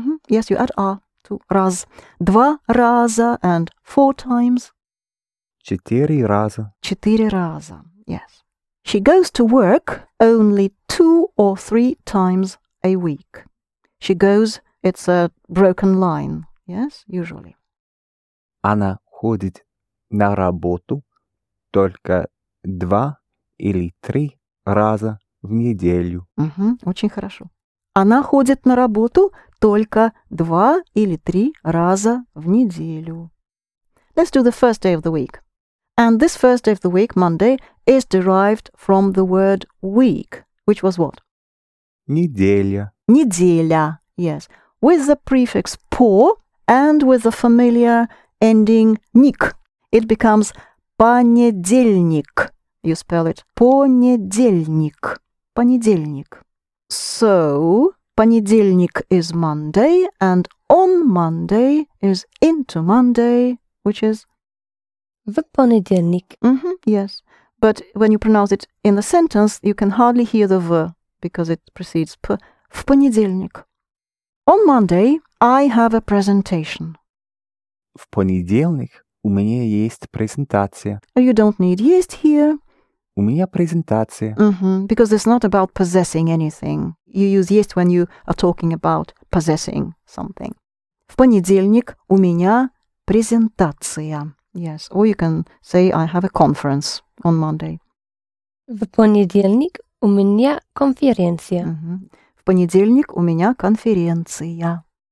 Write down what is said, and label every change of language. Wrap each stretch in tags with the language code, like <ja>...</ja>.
<en>Yes, you add a to раз.</en> <ru>Два раза</ru> <en>and four times.</en> <ru>Четыре раза. Четыре раза,</ru> <en>yes. She goes to work only two or three times a week. She goes, it's a broken line, yes, usually.</en> <ru>Она ходит на работу только два или три раза в неделю. Очень хорошо. Она ходит на работу только два или три раза в неделю.</ru> <en>Let's do the first day of the week. And this first day of the week, Monday, is derived from the word week, which was what?</en> <ru>Неделя.</ru> <en>Неделя, yes. With the prefix по and with the familiar ending ник, it becomes понедельник. You spell it понедельник. Понедельник. So, понедельник is Monday, and on Monday is into Monday, which is</en> <ru>в понедельник.</ru> <en>Yes, but when you pronounce it in the sentence, you can hardly hear the V because it precedes P.</en> <ru>В понедельник.</ru> <en>On Monday, I have a presentation.</en> <ru>В понедельник у меня есть презентация.</ru> <en>You don't need есть here.</en> <ru>У меня презентация.</ru> <en>Because it's not about possessing anything. You use есть when you are talking about possessing something.</en> <ru>В понедельник у меня презентация.</ru> <en>Yes, or you can say, I have a conference on Monday.</en> <ru>В понедельник у меня конференция. В понедельник у меня конференция.</ru>